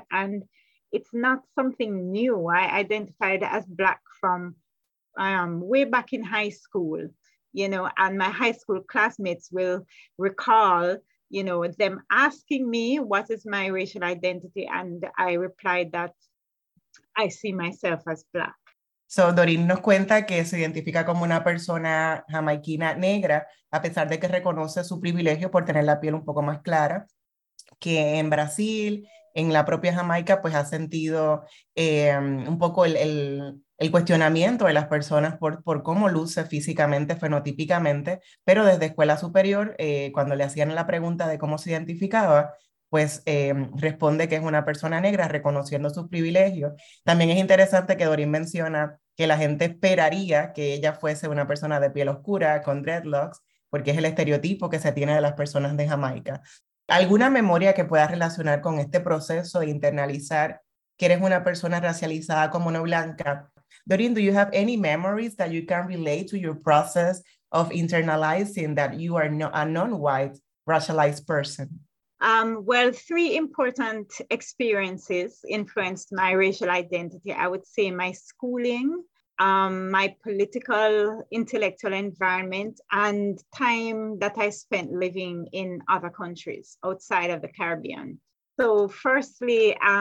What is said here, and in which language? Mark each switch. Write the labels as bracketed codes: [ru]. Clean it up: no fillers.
[en] And it's not something new. I identified as Black from way back in high school, you know, and my high school classmates will recall, you know, them asking me what is my racial identity. And I replied that I see myself as Black. [es] So Doreen nos cuenta que se identifica como una persona jamaiquina negra, a pesar de que reconoce su privilegio por tener la piel un poco más clara, que en Brasil, en la propia Jamaica, pues ha sentido un poco el cuestionamiento de las personas por cómo luce físicamente, fenotípicamente, pero desde escuela superior, cuando le hacían la pregunta de cómo se identificaba, pues responde que es una persona negra reconociendo sus privilegios. También es interesante que Doreen menciona que la gente esperaría que ella fuese una persona de piel oscura con dreadlocks, porque es el estereotipo que se tiene de las personas de Jamaica. ¿Alguna memoria que puedas relacionar con este proceso de internalizar que eres una persona racializada como no blanca? [en] Doreen, do you have any memories that you can relate to your process of internalizing that you are not a non-white racialized person? Well, three important experiences influenced my racial identity. I would say my schooling, my political, intellectual environment, and time that I spent living in other countries outside of the Caribbean. So firstly,